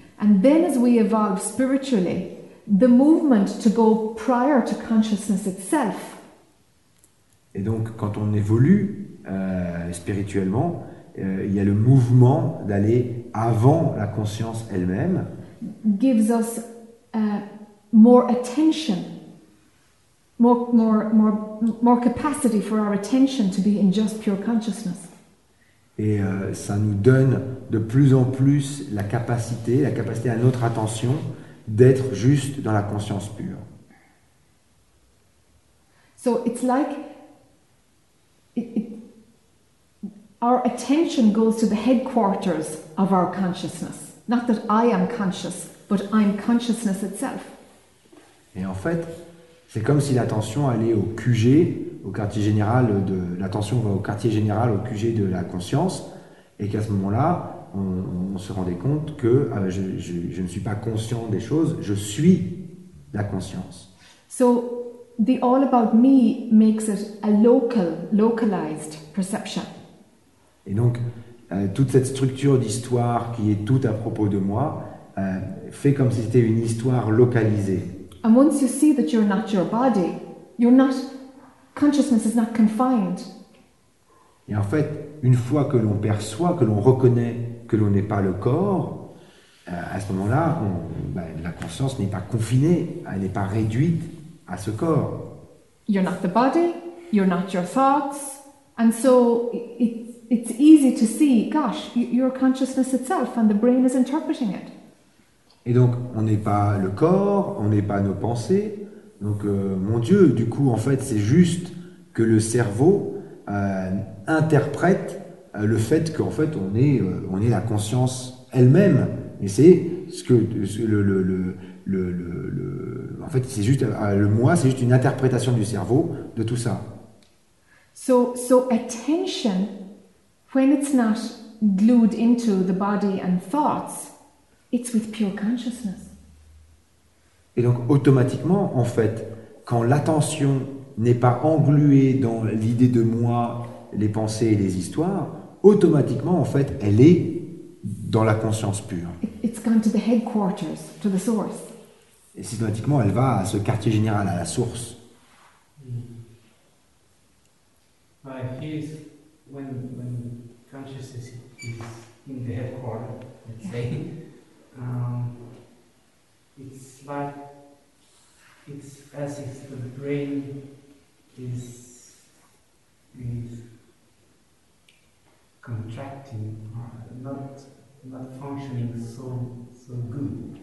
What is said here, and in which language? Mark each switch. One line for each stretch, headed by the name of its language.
English: And then as we evolve spiritually, the movement to go prior to consciousness itself.
French: Et donc quand on évolue spirituellement, il y a le mouvement d'aller avant la conscience elle-même.
English: Gives us more attention, more capacity for our attention to be in just pure consciousness.
French: Et ça nous donne de plus en plus la capacité à notre attention d'être juste dans la conscience pure.
English: So it's like our attention goes to the headquarters of our consciousness. Not that I am conscious, but I'm consciousness itself.
French: Et en fait, c'est comme si l'attention allait au QG. Au quartier général de l'attention va au quartier général au QG de la conscience et qu'à ce moment-là on se rendait compte que je ne suis pas conscient des choses, je suis la conscience.
English: So the all about me makes it a localized perception.
French: Et donc toute cette structure d'histoire qui est tout à propos de moi fait comme si c'était une histoire localisée.
English: And once you see that you're not your body, you're not. Consciousness is not confined.
French: Et en fait, une fois que l'on perçoit, que l'on reconnaît que l'on n'est pas le corps, à ce moment-là, la conscience n'est pas confinée, elle n'est pas réduite à ce corps.
English: You're not the body, you're not your thoughts, and so it's easy to see, gosh, you're consciousness itself, and the brain is interpreting it.
French: Et donc, on n'est pas le corps, on n'est pas nos pensées. Donc, mon Dieu, du coup, en fait, c'est juste que le cerveau interprète le fait qu'en fait, on est la conscience elle-même. Et c'est ce que en fait, c'est juste le moi, c'est juste une interprétation du cerveau de tout ça.
English: So attention, when it's not glued into the body and thoughts, it's with pure consciousness.
French: Et donc automatiquement, en fait, quand l'attention n'est pas engluée dans l'idée de moi, les pensées et les histoires, automatiquement, en fait, elle est dans la conscience pure.
English: It's gone to the headquarters, to the source.
French: Et systématiquement, elle va à ce quartier général, à la source.
English: My fears when consciousness is in the headquarters, let's say, it's like it's as if the brain is contracting, not functioning so good.